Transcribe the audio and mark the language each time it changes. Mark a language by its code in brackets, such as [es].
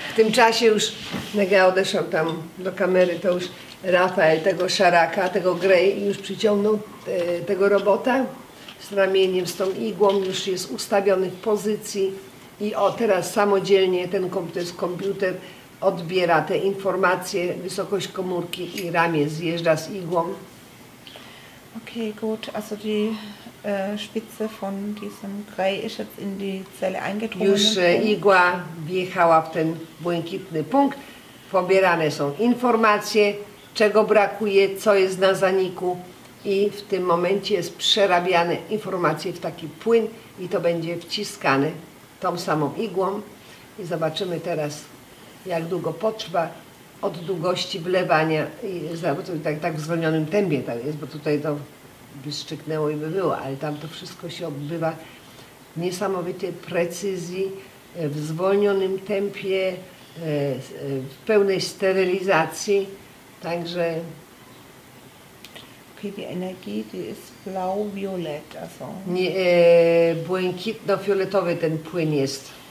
[pl] W tym czasie już Negea odeszła tam do kamery, to już Rafael tego szaraka, tego Grey już przyciągnął tego robota z ramieniem, z tą igłą, już jest ustawiony w pozycji. I o, teraz samodzielnie ten komputer odbiera te informacje, wysokość komórki i ramię zjeżdża z igłą. [de] Okay, gut. Also die Spitze von diesem Grey ist jetzt in die Zelle eingedrungen. [pl] Już igła wjechała w ten błękitny punkt. Pobierane są informacje, czego brakuje, co jest na zaniku i w tym momencie jest przerabiane informacje w taki płyn, i to będzie wciskane tą samą igłą i zobaczymy teraz, jak długo potrwa od długości wlewania i tak w zwolnionym tempie tam jest, bo tutaj to by szczyknęło i by było, ale tam to wszystko się odbywa w niesamowitej precyzji, w zwolnionym tempie, w pełnej sterylizacji, także... [de] Okay, die Energie, die ist blau-violett, also... [pl] Błękitno-fioletowy ten płyn jest.